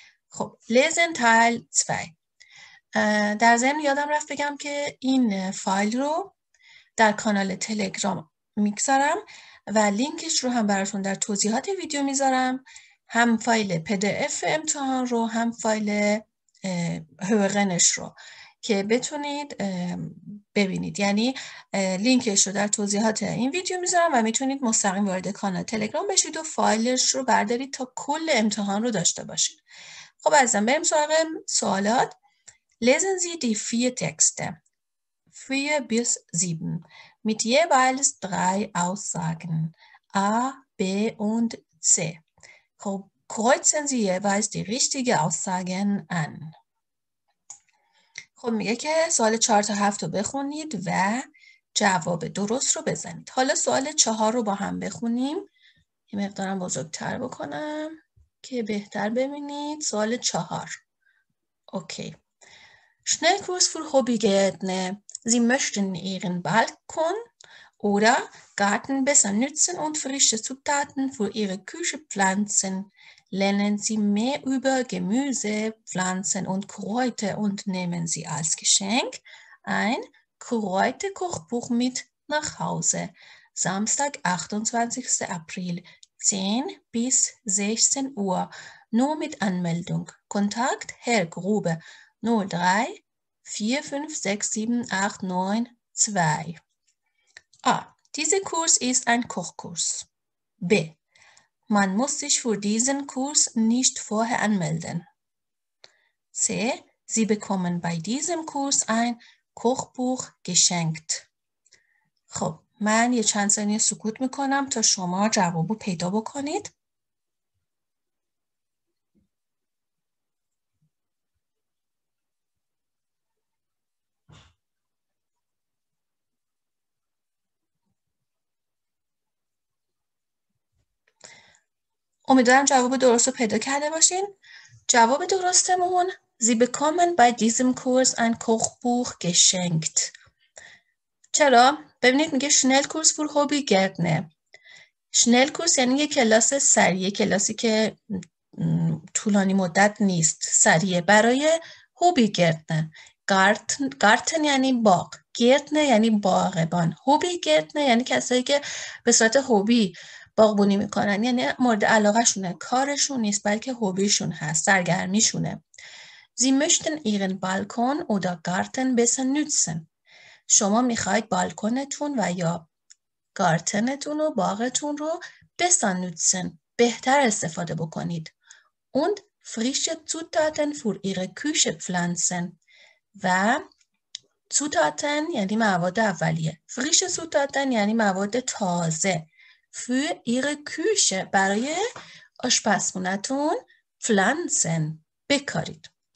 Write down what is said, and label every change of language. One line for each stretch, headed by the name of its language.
Persian: خب
German: لزن تال تفای،
Persian: در ضمن یادم رفت بگم که این فایل رو در کانال تلگرام میگذارم و لینکش رو هم براتون در توضیحات ویدیو میذارم، هم فایل PDF امتحان رو هم فایل هوغنش رو که بتونید ببینید، یعنی لینکش رو در توضیحات این ویدیو میذارم و میتونید مستقیم وارد کانال تلگرام بشید و فایلش رو بردارید تا کل امتحان رو داشته باشید. خب عزیزم بریم سراغ سوالات.
German: لزن زی دی فیه تکسته فیه بیس زیبن میت یه ویلز درای آوساگن A, B und C. Kreuzen Sie jeweils die richtige Aussagen an.
Persian: خب میگه که سوال 4 تا 7 رو بخونید و جواب درست رو بزنید. حالا سوال 4 رو با هم بخونیم. یه مقدارم بزرگتر بکنم که بهتر ببینید. سوال 4. اوکی.
German: Schnell Kurs für Hobbygärtner. Sie möchten ihren Balkon oder Garten besser nützen und frische Zutaten für ihre Küche pflanzen. Lernen Sie mehr über Gemüse, Pflanzen und Kräuter und nehmen Sie als Geschenk ein Kräuterkochbuch mit nach Hause. Samstag, 28. April, 10 bis 16 Uhr. Nur mit Anmeldung. Kontakt Herr Grube 03 456789 2. A. Dieser Kurs ist ein Kochkurs. B. Man muss sich für diesen Kurs nicht vorher anmelden. C. Sie bekommen bei diesem Kurs ein Kochbuch geschenkt.
Persian: خب من یه چند ثانیه سکوت میکنم تا شما جوابو پیدا بکنید. امیدوارم جواب درست رو پیدا کرده باشین. جواب درستمون
German: Sie bekommen bei diesem Kurs ein Kochbuch geschenkt.
Persian: چرا؟ ببینید میگه
German: Schnell Kurs für Hobbygärtner.
Persian: Schnell Kurs یعنی یه کلاس سریه، کلاسی که طولانی مدت نیست، سریه برای Hobbygärtner. Garten یعنی باغ، Gärtner یعنی باغبان، Hobbygärtner یعنی کسایی که به صورت هوبی باغبونی میکنن، یعنی مورد علاقه شونه، کارشون نیست بلکه هوبیشون هست، سرگرمیشونه.
German: Sie möchten ihren Balkon oder Garten besser nutzen.
Persian: شما میخواید بالکنتون و یا گارتنتون و باغتون رو
German: besser nutzen،
Persian: بهتر استفاده بکنید.
German: Und frische Zutaten für ihre Küche pflanzen.
Persian: و Zutaten یعنی مواد اولیه. Frische Zutaten یعنی مواد تازه.
German: Für ihre Küche
Persian: برای آشپزخونتون پلانسن بکارید.